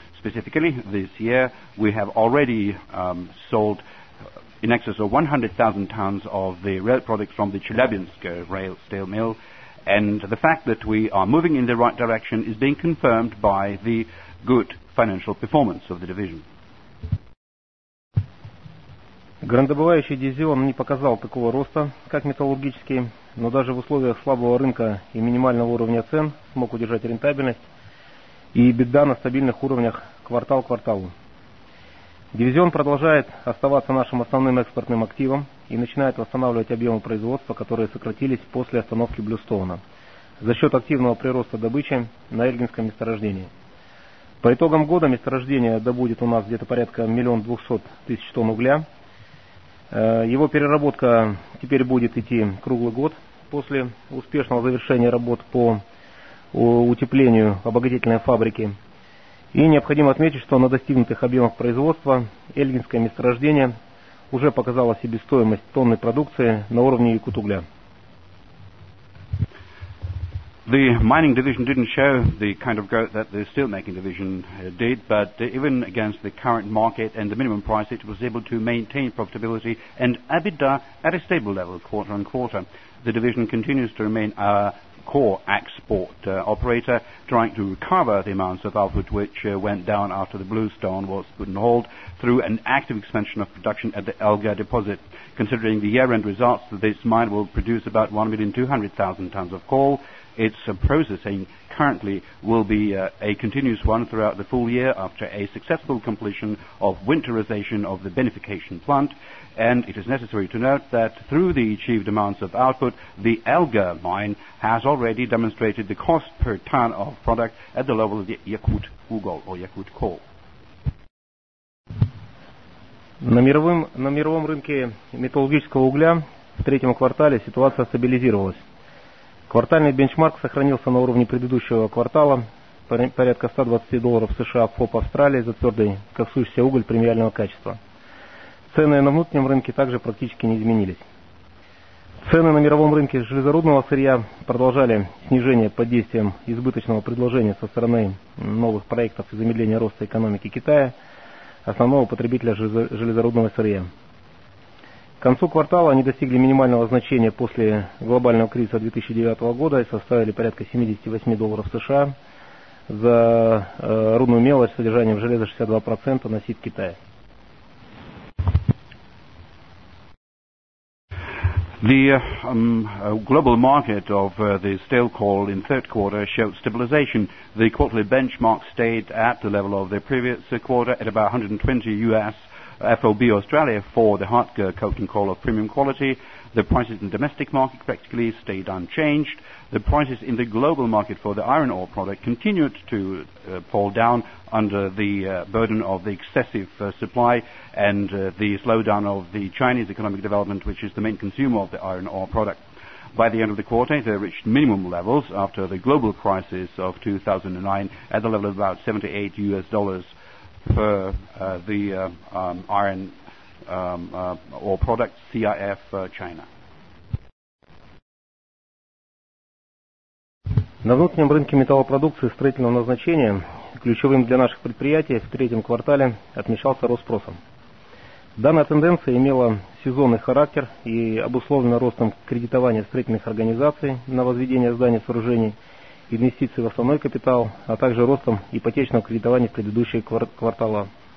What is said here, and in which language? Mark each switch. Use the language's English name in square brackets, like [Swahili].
[English] Specifically, this year, we have already sold in excess of 100,000 tons of the rail products from the Chelyabinsk rail steel mill, and the fact that we are moving in the right direction is being confirmed by the good financial performance of the division. [Russian] Горнодобывающий дивизион не показал такого роста, как металлургический, но даже в условиях слабого рынка и минимального уровня цен смог удержать рентабельность и EBITDA на стабильных уровнях квартал к кварталу. Дивизион продолжает оставаться нашим основным экспортным активом и начинает восстанавливать объемы производства, которые сократились после остановки Блюстоуна за счет активного прироста добычи на Эльгинском месторождении. По итогам года месторождение добудет у нас где-то порядка 1 200 000 тонн угля. Его переработка теперь будет идти круглый год после успешного завершения работ по утеплению обогатительной фабрики. И необходимо отметить, что на достигнутых объемах производства Эльгинское месторождение уже показало себестоимость тонны продукции на уровне якутугля. [English] The mining division didn't show the kind of growth that the steelmaking division did, but even against the current market and the minimum price, it was able to maintain profitability and EBITDA at a stable level quarter on quarter. The division continues to remain a core export operator, trying to recover the amounts of output which went down after the Bluestone was put on hold through an active expansion of production at the Elgar deposit. Considering the year-end results, this mine will produce about 1,200,000 tons of coal. Its processing currently will be a continuous one throughout the full year after a successful completion of winterization of the beneficiation plant. And it is necessary to note that through the achieved amounts of output, the Elgar mine has already demonstrated the cost per ton of product at the level of the Yakut Ugol or Yakut coal. [Russian] На мировом рынке металлургического угля в третьем квартале ситуация стабилизировалась. Квартальный бенчмарк сохранился на уровне предыдущего квартала, порядка $120 США ФОП Австралии за твердый коксующийся уголь премиального качества. Цены на внутреннем рынке также практически не изменились. Цены на мировом рынке железорудного сырья продолжали снижение под действием избыточного предложения со стороны новых проектов и замедления роста экономики Китая, основного потребителя железорудного сырья. К концу квартала они достигли минимального значения после глобального кризиса 2009 года и составили порядка $78 США за рудную мелочь с содержанием железа 62% на СИД Китая. [English] The global market of the steel coal in third quarter showed stabilization. The quarterly benchmark stayed at the level of the previous quarter at about $120 FOB Australia for the hard coking coal of premium quality. The prices in the domestic market practically stayed unchanged. The prices in the global market for the iron ore product continued to fall down under the burden of the excessive supply and the slowdown of the Chinese economic development, which is the main consumer of the iron ore product. By the end of the quarter, they reached minimum levels after the global crisis of 2009 at the level of about $78 for the iron ore product CIF China. [Russian] На внутреннем рынке металлопродукции строительного назначения, ключевым для наших предприятий, в третьем квартале отмечался рост спроса. Данная тенденция имела сезонный характер и обусловлена ростом кредитования строительных организаций на возведение зданий и сооружений, инвестиций в основной капитал, а также ростом ипотечного кредитования в предыдущие квартала.